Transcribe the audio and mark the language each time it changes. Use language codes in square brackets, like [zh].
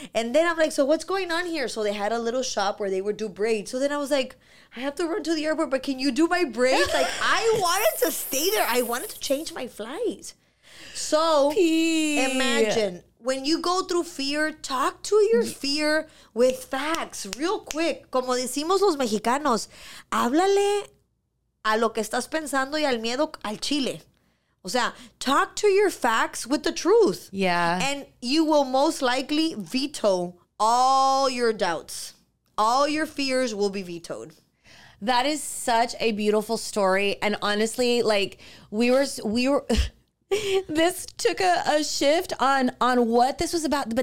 [en] And then I'm like, so what's going on here? So they had a little shop where they would do braids. So then I was like, I have to run to the airport, but can you do my braids? Like, I wanted to stay there. I wanted to change my flight. So imagine, when you go through fear, talk to your fear with facts real quick. [es] Como decimos los mexicanos, háblale a lo que estás pensando y al miedo al chile. O sea, [en] talk to your facts with the truth. Yeah. And you will most likely veto all your doubts. All your fears will be vetoed. That is such a beautiful story. And honestly, like, we were this took a shift on what this was about.